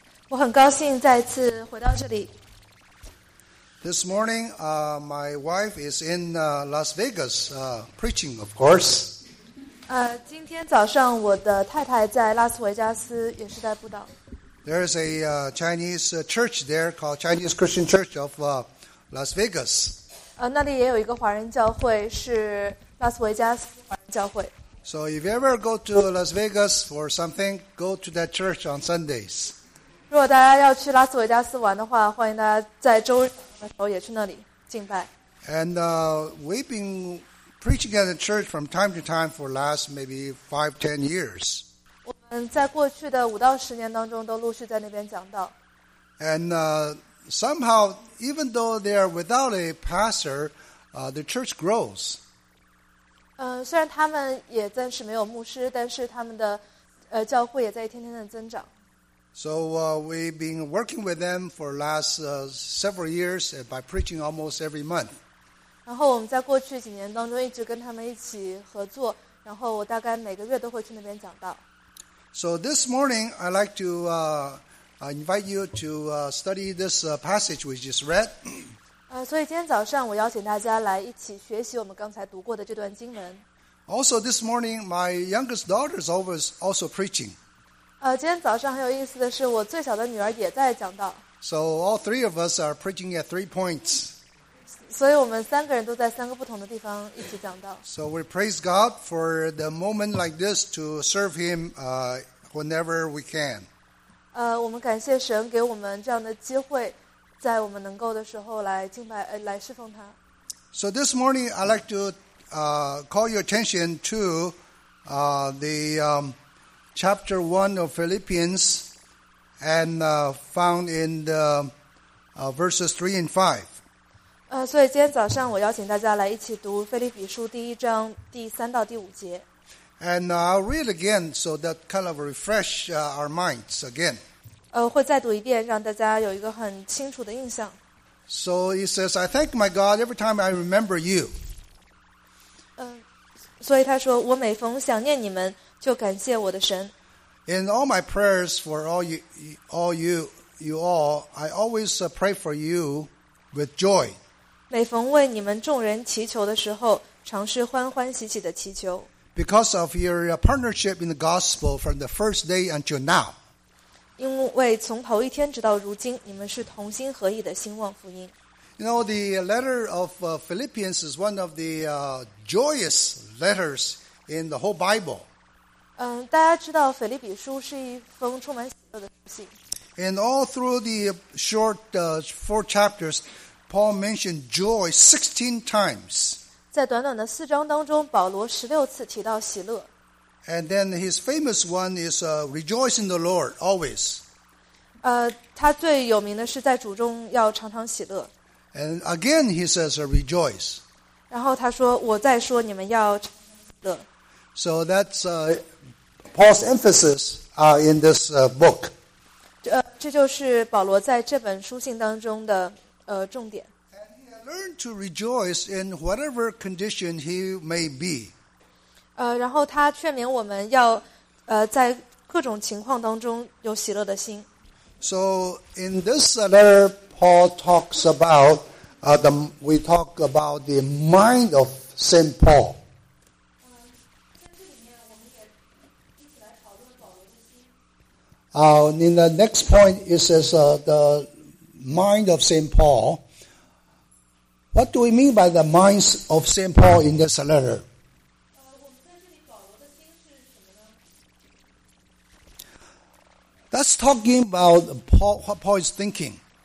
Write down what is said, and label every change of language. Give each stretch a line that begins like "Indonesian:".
Chinese: 我很高兴再次回到这里。
English: This morning, my wife is in Las Vegas preaching, of course.
Chinese: 今天早上我的太太在拉斯维加斯也是在布道。
English: There is a Chinese church there called Chinese Christian Church of Las Vegas.
Chinese: 那里也有一个华人教会，是拉斯维加斯华人教会。
English: So if you ever go to Las Vegas for something, go to that church on Sundays.
Chinese: 如果大家要去拉斯维加斯玩的话，欢迎大家在周日的时候也去那里敬拜。
English: And we've been preaching at the church from time to time for last maybe 5-10 years.
Chinese: 我们在过去的五到十年当中都陆续在那边讲道。
English: And somehow, even though they are without a pastor, the church grows.
Chinese: 虽然他们也暂时没有牧师，但是他们的教会也在一天天的增长。
English: So we've been working with them for last several years by preaching almost every month.
Chinese: 然后我们在过去几年当中一直跟他们一起合作，然后我大概每个月都会去那边讲道。
English: So this morning I'd like to invite you to study this passage we just read.
Chinese: 所以今天早上我邀请大家来一起学习我们刚才读过的这段经文。
English: Also this morning, my youngest daughter is always also preaching.
Chinese: 今天早上很有意思的是我最小的女儿也在讲道。
English: So all three of us are preaching at three points.
Chinese: 所以我们三个人都在三个不同的地方一起讲道。
English: So we praise God for the moment like this to serve Him whenever we can.
Chinese: 我们感谢神给我们这样的机会在我们能够的时候来敬拜来侍奉他。
English: So this morning I'd like to call your attention to chapter 1 of Philippians and found in the verses 3 and 5.
Chinese: 所以今天早上我邀请大家来一起读腓立比书第一章第三到第五节。
English: And I'll read again so that kind of refresh our minds again.
Chinese: 会再读一遍，让大家有一个很清楚的印象。
English: So he says, I thank my God every time I remember you.
Chinese: 所以他说，我每逢想念你们，就感谢我的神。
English: In all my prayers for all you, I always pray for you with joy.
Chinese: 每逢为你们众人祈求的时候，常是欢欢喜喜的祈求。
English: Because of your partnership in the gospel from the first day until now.
Chinese: 因为从头一天直到如今，你们是同心合意的兴旺福音。
English: You know, the letter of Philippians is one of the joyous letters in the whole Bible.
Chinese: 大家知道腓立比书是一封充满喜乐的信。
English: And all through the short four chapters, Paul mentioned joy 16 times.
Chinese: 在短短的四章当中，保罗十六次提到喜乐。
English: And then his famous one is rejoice in the Lord, always.
Chinese: 他最有名的是在主中要常常喜乐。
English: And again he says rejoice.
Chinese: 然后他说我再说你们要常常喜乐。
English: So that's Paul's emphasis in this book.
Chinese: 这就是保罗在这本书信当中的重点。
English: And he learned to rejoice in whatever condition he may be.
Chinese: 然后他劝勉我们要在各种情况当中有喜乐的心。
English: So in this letter, Paul talks about we talk about the mind of Saint Paul.
Chinese: 在这里面我们也一起来讨论保罗的心。
English: In the next point, it says the mind of Saint Paul. What do we mean by the minds of Saint Paul in this letter? That's talking about Paul, what Paul is thinking.